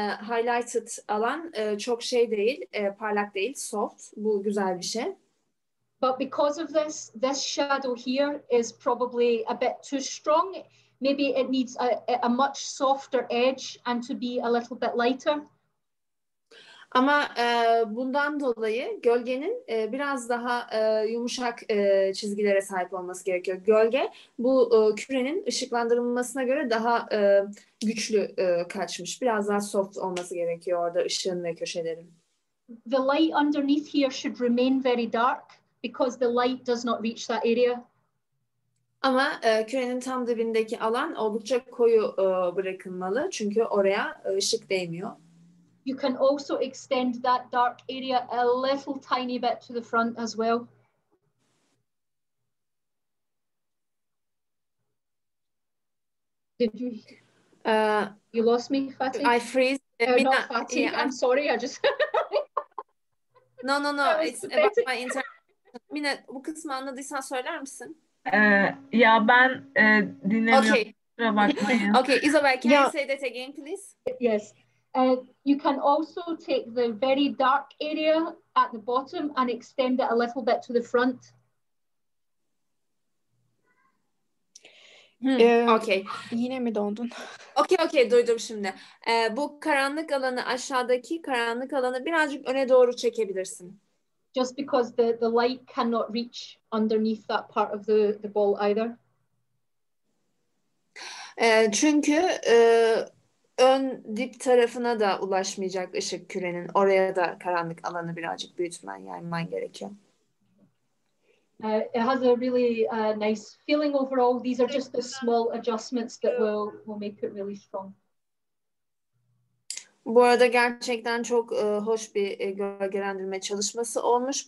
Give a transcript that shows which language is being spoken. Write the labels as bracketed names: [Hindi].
[Turkish] Highlighted alan çok şey değil, parlak değil, soft. Bu güzel bir şey. [English] But because of this shadow here is probably a bit too strong. Maybe it needs a much softer edge and to be a little bit lighter, [Turkish] Ama bundan dolayı gölgenin biraz daha yumuşak çizgilere sahip olması gerekiyor. Gölge bu kürenin ışıklandırılmasına göre daha güçlü kaçmış. Biraz daha soft olması gerekiyor orada ışığın ve köşelerin. [English] The light underneath here should remain very dark because the light does not reach that area. [Turkish] Ama kürenin tam dibindeki alan oldukça koyu bırakılmalı çünkü oraya ışık değmiyor. [English] You can also extend that dark area a little tiny bit to the front as well. Did you? You lost me, Fatih? I freeze. Not Fatih. Yeah, I'm sorry. I just. No. It's pathetic. About my internet. Mina, [Turkish] bu kısmı anladıysan söyler misin? Ya ben dinlemiyorum. [English] Okay, Isabel, can you say that again, please? Yes. You can also take the very dark area at the bottom and extend it a little bit to the front. Okay. [Turkish] Yine mi dondun? Okay, duydum şimdi. Bu karanlık alanı, aşağıdaki karanlık alanı birazcık öne doğru çekebilirsin. [English] Just because the light cannot reach underneath that part of the ball either. [Turkish] Çünkü ön dip tarafına da ulaşmayacak ışık kürenin. Oraya da karanlık alanı birazcık büyütmen, yayman gerekiyor. [English] It has a really nice feeling overall. These are just the small adjustments that will make it really strong. [Turkish] Bu arada gerçekten çok hoş bir gölgelendirme çalışması olmuş.